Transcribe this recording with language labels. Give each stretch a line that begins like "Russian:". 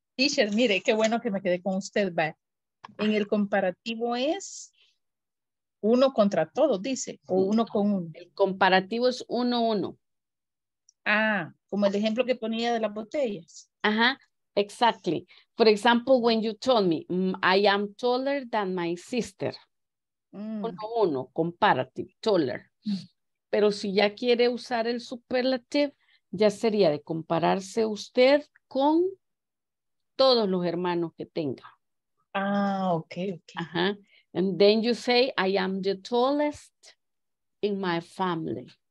Spanish: Teacher, mire, qué bueno que me quedé con usted. Va. En el comparativo es uno contra todo, dice. O uno con uno. El comparativo es uno, uno. Ah, como el ejemplo que ponía de las botellas.
English: Ajá, exactly. For example, when you told me, I am taller than my sister.
Spanish: Mm. Uno, uno, comparative, taller. Pero si ya quiere usar el superlative, ya sería de compararse usted con todos los hermanos que tenga. Ah, ok, ok. Ajá.
English: And then you say, I am the tallest in my family.